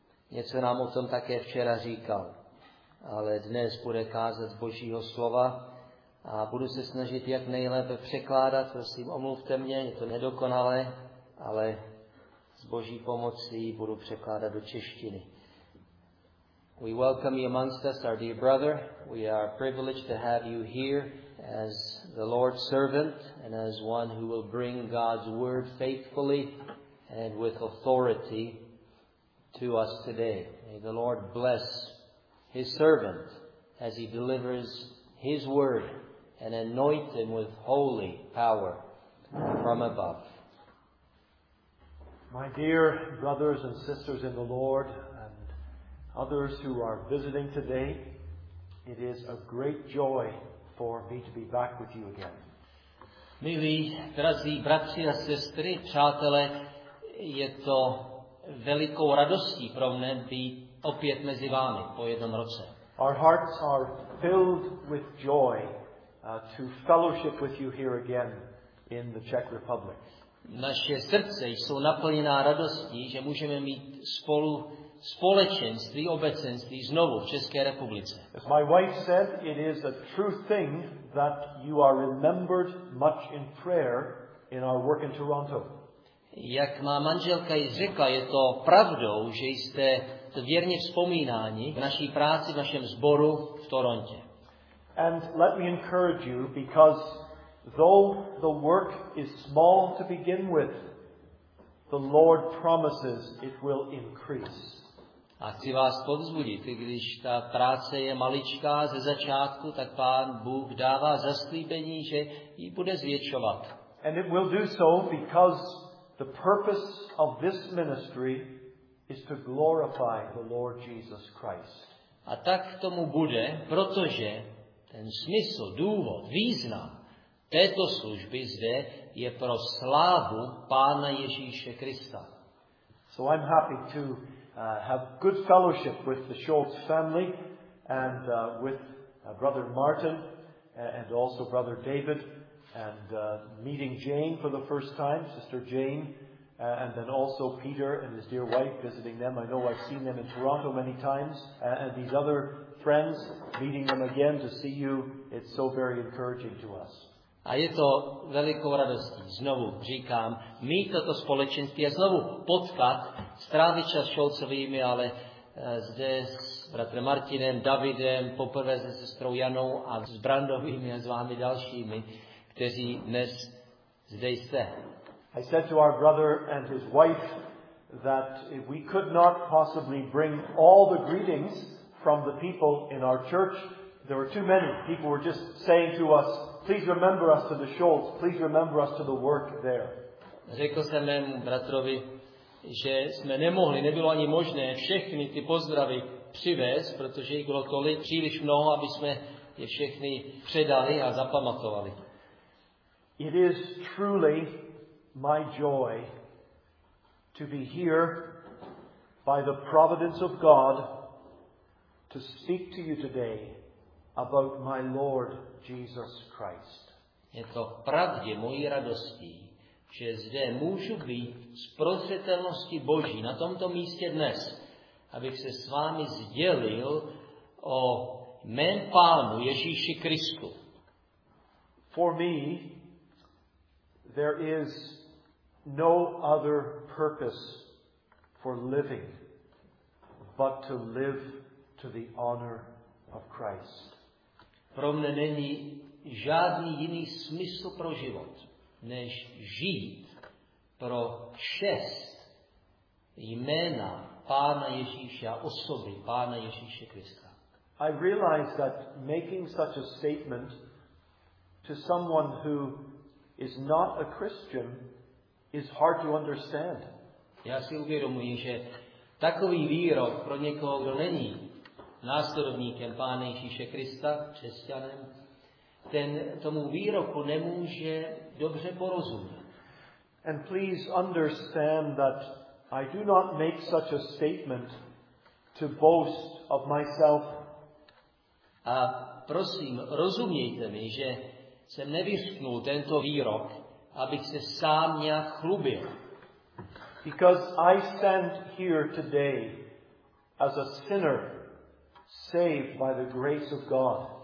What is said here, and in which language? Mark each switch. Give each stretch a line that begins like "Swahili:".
Czech: Něco nám o tom také včera říkal, ale dnes bude kázat z Božího slova. A budu se snažit jak nejlépe překládat, prosím, omluvte mě, je to nedokonalé, ale s Boží pomocí budu překládat do češtiny.
English: We welcome you amongst us, our dear brother. We are privileged to have you here as the Lord's servant and as one who will bring God's word faithfully and with authority to us today. May the Lord bless his servant as he delivers his word. And anoint him with holy power from above. My dear brothers and sisters in the Lord, and others who are visiting today, it is a great joy for me to be back with you again.
Czech: Milí, drazí bratři a sestry, přátelé, je to velikou radostí pro mě být opět mezi vámi po jednom roce.
English: Our hearts are filled with joy. To fellowship with you here again in the Czech Republic.
Czech: Naše srdce jsou naplněná radostí, že můžeme mít spolu společenství, obecenství znovu v České republice.
English: As my wife said, it is a true thing that you are remembered much in prayer in our work in Toronto.
Czech: Jak má manželka i řekla, je to pravdou, že jste věrně vzpomínáni v naší práci, v našem sboru v Torontě.
English: And let me encourage you, because though the work is small to begin with, the Lord promises it will increase.
Czech: A chci vás povzbudit, když ta práce je maličká ze začátku, tak Pán Bůh dává zaslíbení, že ji bude zvětšovat.
English: And it will do so because the purpose of this ministry is to glorify the Lord Jesus Christ.
Czech: A tak tomu bude, protože ten smysl, důvod, význam této služby zde je pro slávu Pána Ježíše Krista.
English: So I'm happy to have good fellowship with the Schultz family and with brother Martin and also brother David and meeting Jane for the first time, sister Jane, and then also Peter and his dear wife visiting them. I know I've seen them in Toronto many times and these other friends, meeting them again to see you, it's so very encouraging to us.
Czech: A je to velikou radostí, znovu říkám, mít toto společenství a znovu potkat, strávit čas Šolcovými, ale zde s bratrem Martinem, Davidem, poprvé se sestrou Janou a s Brandovými a s vámi dalšími, kteří dnes zde jste.
English: I said to our brother and his wife that we could not possibly bring all the greetings from the people in our church. There were too many. People were just saying to us, please remember us to the Schultz, please remember us to the work there.
Czech: Řekl jsem mému bratrovi, že jsme nemohli, nebylo ani možné všechny ty pozdravy přivést, protože jich bylo tolik, příliš mnoho, aby jsme je všechny předali a zapamatovali.
English: It is truly my joy to be here by the providence of God to speak to you today about my Lord Jesus Christ.
Czech: Je to pravdě mojí radostí, že zde můžu být z prostřetelnosti Boží na tomto místě dnes, abych se s vámi sdělil o mém Pánu Ježíši Kristu.
English: For me, there is no other purpose for living but to live to the honor of Christ.
Czech: Pro mne není žádný jiný smysl pro život, než žít pro čest jména Pána Ježíše a osoby Pána Ježíše Krista.
English: I realize that making such a statement to someone who is not a Christian is hard to understand.
Czech: Já si uvědomuji, že takový výrok pro někoho, kdo není následovníkem Pána Ježíše Krista, křesťanem, ten tomu výroku nemůže dobře porozumět.
English: And please understand that I do not make such a statement to boast of myself.
Czech: A prosím, rozumějte mi, že jsem nevyřknul tento výrok, abych se sám nějak chlubil.
English: Because I stand here today as a sinner saved by the grace of God.